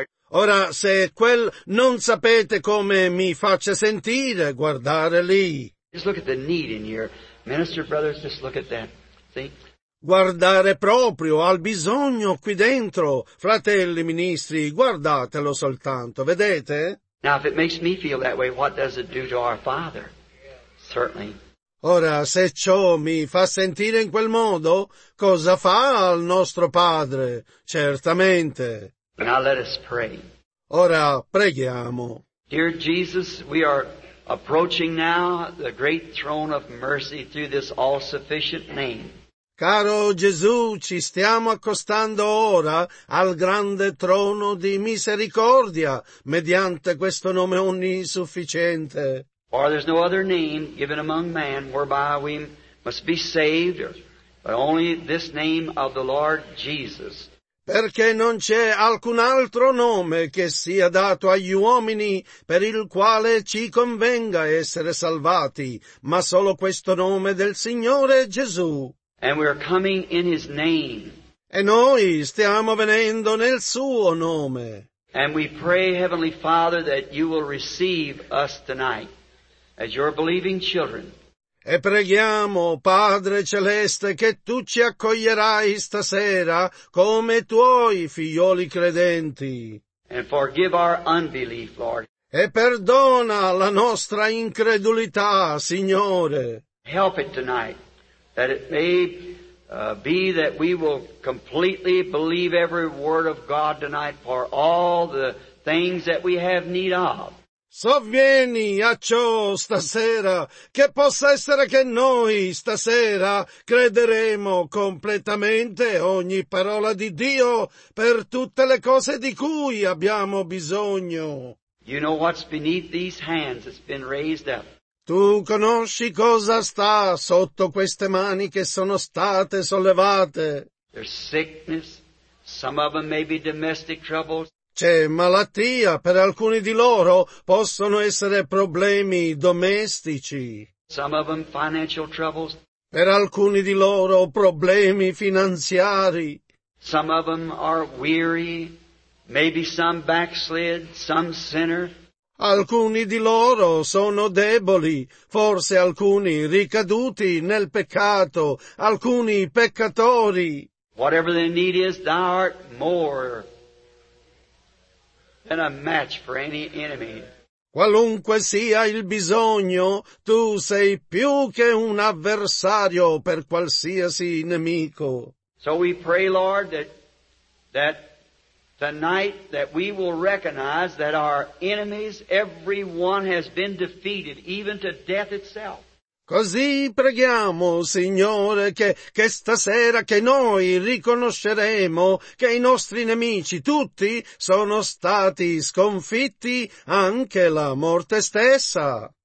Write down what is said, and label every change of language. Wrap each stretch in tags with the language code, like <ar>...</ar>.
<it>Ora, se quel non sapete come mi faccia sentire guardare lì.</it> <en>Just look at the need in here. Minister brothers, just look at that. See?</en> <it>Guardare proprio al bisogno qui dentro. Fratelli ministri, guardatelo soltanto, vedete?</it> <en>Now, if it makes me feel that way, what does it do to our Father? Certainly.</en> <it>Ora, se ciò mi fa sentire in quel modo, cosa fa al nostro Padre? Certamente.</it> <en>Now, let us pray.</en> <it>Ora, preghiamo.</it> <en>Dear Jesus, we are approaching now the great throne of mercy through this all-sufficient name.</en> <it>Caro Gesù, ci stiamo accostando ora al grande trono di misericordia, mediante questo nome onnisufficiente.</it> <en>For there's no other name given among man whereby we must be saved, but only this name of the Lord Jesus.</en> <it>Perché non c'è alcun altro nome che sia dato agli uomini per il quale ci convenga essere salvati, ma solo questo nome del Signore Gesù.</it> <en>And we are coming in His name.</en> <it>E noi stiamo venendo nel suo nome.</it> <en>And we pray, Heavenly Father, that you will receive us tonight as your believing children.</en> <it>E preghiamo, Padre Celeste, che tu ci accoglierai stasera come tuoi figlioli credenti.</it> <en>And forgive our unbelief, Lord.</en> <it>E perdona la nostra incredulità, Signore.</it> <en>Help it tonight. That it may be that we will completely believe every word of God tonight for all the things that we have need of.</en> <it>Sovvieni a ciò stasera, che possa essere che noi stasera crederemo completamente ogni parola di Dio per tutte le cose di cui abbiamo bisogno.</it> <en>You know what's beneath these hands that's been raised up.</en> <it>Tu conosci cosa sta sotto queste mani che sono state sollevate.</it> <en>There's sickness. Some of them may be domestic troubles.</en> <it>C'è malattia. Per alcuni di loro possono essere problemi domestici.</it> <en>Some of them financial troubles.</en> <it>Per alcuni di loro problemi finanziari.</it> <en>Some of them are weary. Maybe some backslid, some sinner.</en> <it>Alcuni di loro sono deboli, forse alcuni ricaduti nel peccato, alcuni peccatori.</it> <en>Whatever the need is, thou art more than a match for any enemy.</en> <it>Qualunque sia il bisogno, tu sei più che un avversario per qualsiasi nemico.</it> <en>So we pray, Lord, that tonight that we will recognize that our enemies, every one has been defeated, even to death itself.</en> <it>Così preghiamo, Signore, che stasera che noi riconosceremo che i nostri nemici tutti sono stati sconfitti, anche la morte stessa.</it>